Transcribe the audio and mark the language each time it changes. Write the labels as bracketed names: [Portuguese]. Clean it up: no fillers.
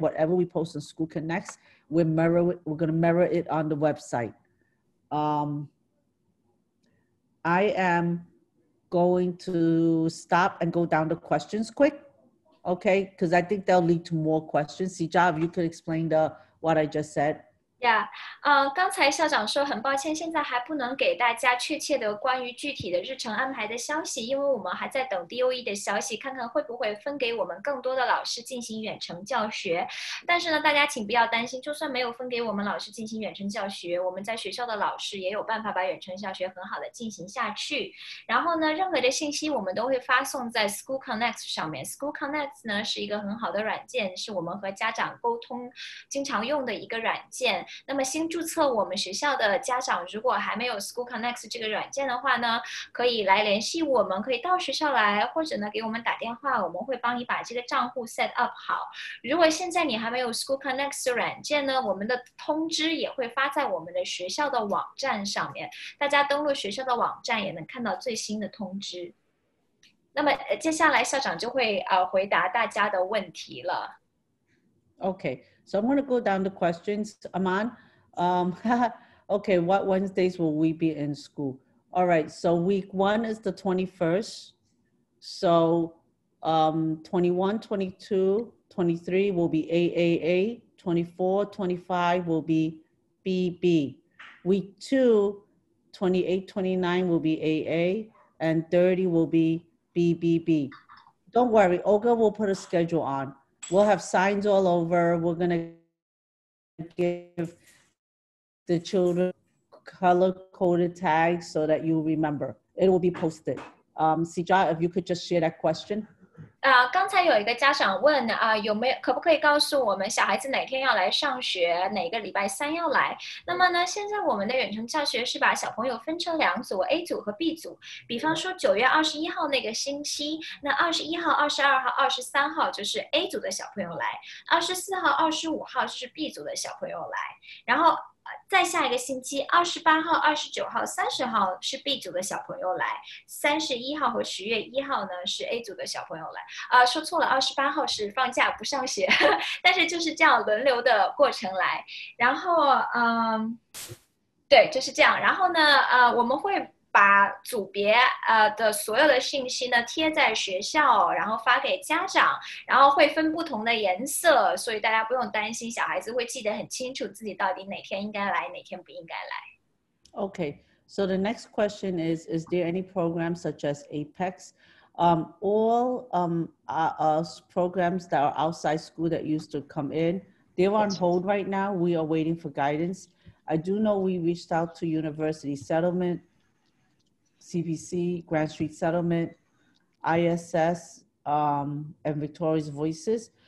[English] Whatever we post on School Connects, we're going to mirror it on the website. I am going to stop and go down the questions quick, okay? Because I think they'll lead to more questions. Sijia, if you could explain what I just said. [Chinese] Yeah, 刚才校长说很抱歉, 现在还不能给大家确切的关于具体的日程安排的消息, 因为我们还在等DOE的消息, 看看会不会分给我们更多的老师进行远程教学。但是呢, 大家请不要担心, 就算没有分给我们老师进行远程教学, 我们在学校的老师也有办法把远程教学很好的进行下去。然后呢, 任何的信息, 我们都会发送在School Connects上面。 School Connects呢, 是一个很好的软件, 是我们和家长沟通, 经常用的一个软件。那么新注册我们学校的家长如果还没有School Connects这个软件的话呢， 可以来联系我们， 可以到学校来， 或者呢给我们打电话， 我们会帮你把这个账户 [English] set up [Chinese] 好。如果现在你还没有School Connects软件呢， 我们的通知也会发在我们的学校的网站上面， 大家登录学校的网站也能看到最新的通知。那么接下来校长就会回答大家的问题了。 [English] Okay, so I'm going to go down the questions, Aman. Okay, what Wednesdays will we be in school? All right, so week one is the 21st. So 21, 22, 23 will be AAA. 24, 25 will be BB. Week two, 28, 29 will be AA. And 30 will be BBB. Don't worry, Olga will put a schedule on. We'll have signs all over. We're gonna give the children color-coded tags so that you remember. It will be posted. Sijia, if you could just share that question. [Chinese] 刚才有一个家长问，可不可以告诉我们小孩子哪天要来上学，哪个礼拜三要来？那么呢，现在我们的远程教学是把小朋友分成两组，A组和B组。比方说9月21号那个星期，那21号、22号、23号就是A组的小朋友来，24号、25号是B组的小朋友来。然后在下一个星期28号、29号、30号是 B 组的小朋友来，31号和10月1号呢是 A 组的小朋友来。说错了，28号是放假不上学，但是就是这样轮流的过程来。然后对，就是这样。然后呢我们会把组别的所有的信息呢贴在学校，然后发给家长，然后会分不同的颜色，所以大家不用担心，小孩子会记得很清楚自己到底哪天应该来，哪天不应该来。 [English] Okay, so the next question is, is there any program such as APEX? All programs that are outside school that used to come in, they're on hold right now. We are waiting for guidance. I do know we reached out to University Settlement,CBC, Grand Street Settlement, ISS, and Victoria's Voices.